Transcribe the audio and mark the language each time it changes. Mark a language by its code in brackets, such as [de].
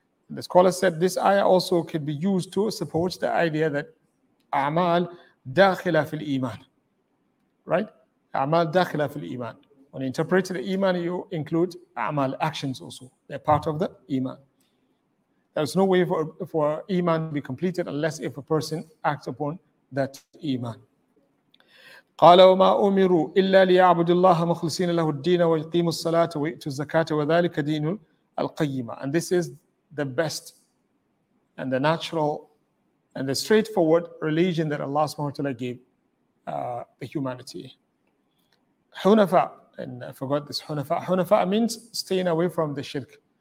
[en] The scholar said this ayah also could be used to support the idea that amal dakhila fil iman, right? Amal dakhila fil iman. When you interpret the iman, you include amal, actions also. They're part of the iman. There's no way for iman to be completed unless if a person acts upon that iman. [ar] قال وما أمروا إلا ليعبدوا الله مخلصين له الدين ويقيموا الصلاة ويؤتوا الزكاة وذلك دين القيمة. [en] And this is the best and the natural and the straightforward religion that Allah subhanahu wa ta'ala gave the humanity. حنفاء, and I forgot this حنفاء. حنفاء means staying away from the shirk.